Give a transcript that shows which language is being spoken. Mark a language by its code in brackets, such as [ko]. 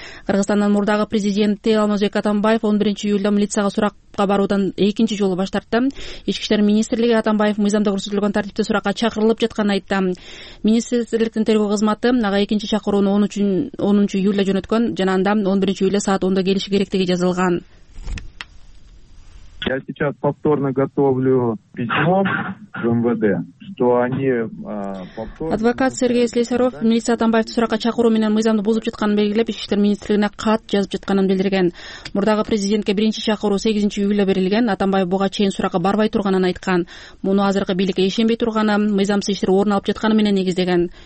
[ky] Кыргызстандын мурдагы президенти Алмазбек Атамбаев 11-чи июлда милицияга суракка баруудан экинчи жолу баш тартты. Ички иштер министрлиги Атамбаев мыйзамда көрсөтүлгөн тартипте суракка чакырылып жатканын айтты. Министрликтин тергөө кызматы ага экинчи чакырууну 10-чу июлда жөнөткөн жана анда 11-чи июлда саат 10 келиши керектиги жазылган. [ru] Я сейчас повторно готовлю письмо в МВД, что они повторно... [ky] Адвокат Сергей Слесаров, милиция Атамбаевду суракка чакыруу менен мыйзамды бузуп жатканын белгилеп, ички иштер министрлигине кат жазып жатканын билдирген. Мурдагы президентке биринчи чакыруу 8-чи июлда берилген, Атамбаев буга чейин суракка барбай турганын айткан. Муну азыркы бийликке ишенбей турганы, мыйзамсыз иштер орун алып жатканы менен негиздеген.